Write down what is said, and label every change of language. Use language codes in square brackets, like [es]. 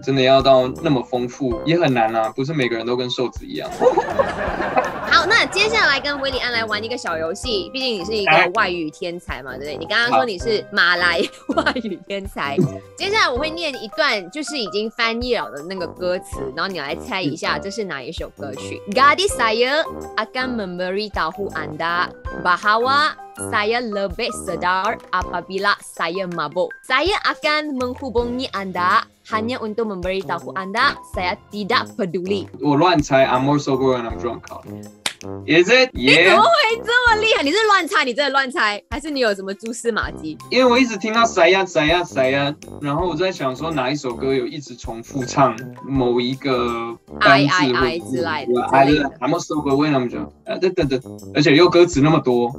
[zh] 真的要到那么丰富也很难啊，不是每个人都跟瘦子一样。好，那接下来跟韦里安来玩一个小游戏，毕竟你是一个外语天才嘛，对不对？你刚刚说你是马来外语天才，接下来我会念一段就是已经翻译了的那个歌词，然后你来猜一下这是哪一首歌曲。 [ms] Gadis saya akan memberi tahu anda bahawa saya lebih sedar apabila saya mabuk. Saya akan menghubungi andahanya untuk memberitahu anda saya tidak peduli。 [zh] 我乱猜 [en] I'm more sober when I'm drunk。 Is it？ [zh] 你怎么会这么厉害？你是乱猜，你真的乱猜，还是你有什么蛛丝马迹？因为我一直听到塞呀塞呀塞呀，然后我在想说哪一首歌有一直重复唱某一个单字之类的。 [en] I'm more sober when I'm drunk。 [zh] 而且又歌词那么多。